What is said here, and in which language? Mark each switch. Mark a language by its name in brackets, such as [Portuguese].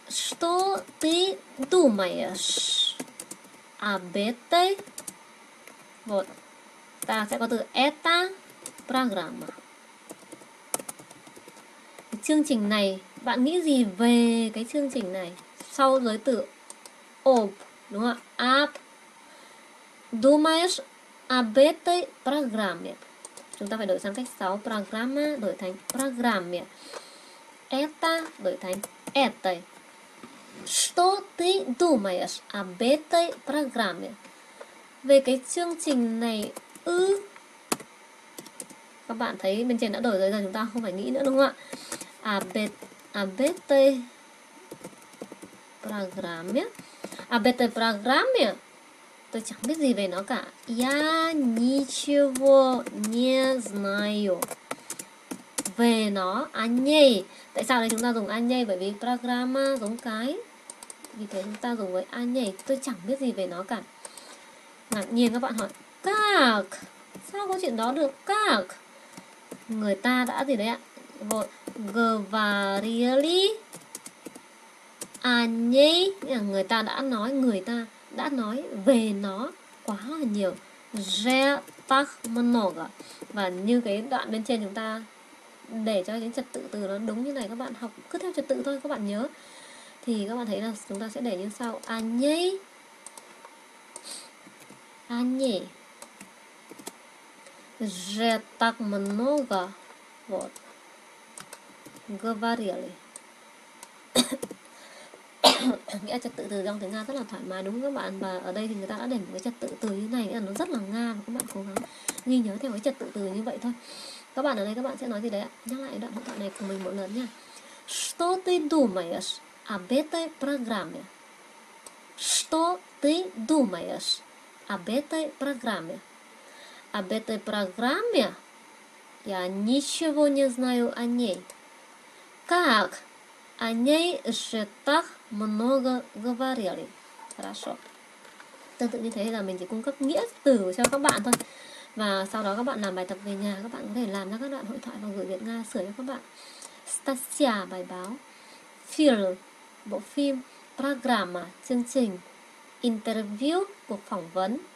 [Russian] Что ты думаешь об этой? Вот. [Vietnamese] Ta sẽ có từ [Russian] эта программа. [Vietnamese] Chương trình này, bạn nghĩ gì về cái chương trình này? Sau giới từ об, đúng không ạ? [Russian] Об. Думаешь об этой программе? [Vietnamese] Chúng ta phải đổi sang cách 6 программа đổi thành программе. Это đổi thành это. [Russian] Что ты думаешь об этой программе? [Vietnamese] Về cái chương trình này ư? Các bạn thấy bên trên đã đổi rồi, giờ chúng ta không phải nghĩ nữa đúng không ạ? [Russian] Об этой программе. Об этой программе. [Vietnamese] Tôi chẳng biết gì về nó cả. [Russian] Я ничего не знаю. [Vietnamese] Về nó, anh ấy. Tại sao đây chúng ta dùng anh ấy? Bởi vì programa giống cái. Vì thế chúng ta dùng với anh ấy. Tôi chẳng biết gì về nó cả. Ngạc nhiên các bạn hỏi. [Russian] Как? [Vietnamese] Sao có chuyện đó được? Как? Người ta đã gì đấy ạ? Vội. [Russian] Говорили. [Vietnamese] Anh ấy. Người ta đã nói. Người ta đã nói về nó quá là nhiều. Rất [Russian] так много. [Vietnamese] Và như cái đoạn bên trên chúng ta để cho những trật tự từ nó đúng như này, các bạn học cứ theo trật tự thôi, các bạn nhớ thì các bạn thấy là chúng ta sẽ để như sau. Anh nhỉ rất [Russian] так много вот говорили. [Vietnamese] Nghĩa trật tự từ trong tiếng Nga rất là thoải mái đúng không các bạn, và ở đây thì người ta đã để một cái trật tự từ như này, nghĩa là nó rất là Nga và các bạn cố gắng ghi nhớ theo cái trật tự từ như vậy thôi. Các bạn ở đây các bạn sẽ nói gì đấy ạ? Nhắc lại đoạn hội thoại này của mình một lần nha. [Russian] Что ты думаешь об этой программе? Что ты думаешь об этой программе? Об этой программе я ничего не знаю о ней. Как? О ней же так много говорили. Хорошо. [Vietnamese] Tương tự như thế là mình chỉ cung cấp nghĩa từ cho các bạn thôi. Và sau đó các bạn làm bài tập về nhà, các bạn có thể làm ra các đoạn hội thoại và gửi Việt Nga sửa cho các bạn. Stasia bài báo. Фильм bộ phim. Программа chương trình. Interview cuộc phỏng vấn.